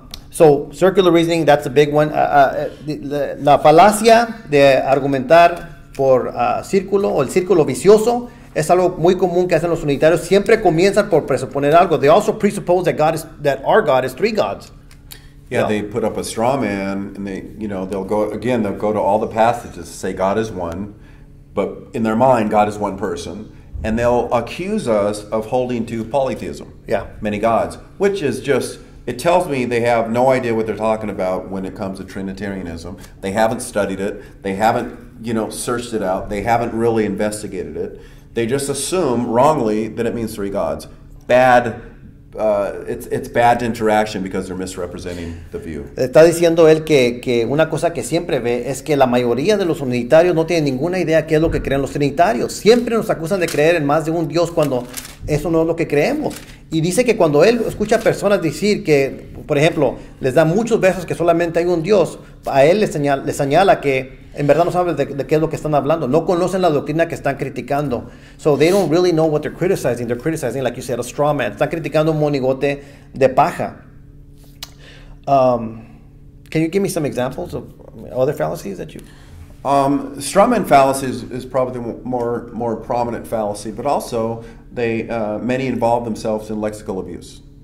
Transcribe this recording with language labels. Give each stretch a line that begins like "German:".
English: So, circular reasoning, that's a big one.
Spanish: La falacia de argumentar por círculo o el círculo vicioso es algo muy común que hacen los unitarios. Siempre comienzan por presuponer algo.
English: They also presuppose that God is, that our God is three gods. Yeah, they put up a straw man and they, you know, they'll go to all the passages to say God is one, but in their mind, God is one person. And they'll accuse us of holding to polytheism. Yeah. Many gods, which is just... It tells me they have no idea what they're talking about when it comes to Trinitarianism. They haven't studied it. They haven't, you know, searched it out. They haven't really investigated it. They just assume wrongly that it means three gods. Bad, it's bad interaction because they're misrepresenting the view.
Spanish: Está diciendo él que una cosa que siempre ve es que la mayoría de los unitarios no tienen ninguna idea qué es lo que creen los trinitarios. Siempre nos acusan de creer en más de un Dios cuando eso no es lo que creemos. Y dice que cuando él escucha personas decir que, por ejemplo, les da muchos versos que solamente hay un Dios, a él le señala que en verdad no saben de qué es lo que están hablando. No conocen la doctrina que están criticando.
English: So they don't really know what they're criticizing. They're criticizing, like you said, a straw man.
Spanish: Están criticando un monigote de paja.
English: Can you give me some examples of other fallacies that you... Straw man fallacy is probably the more prominent fallacy, but also they many involve themselves in lexical abuse.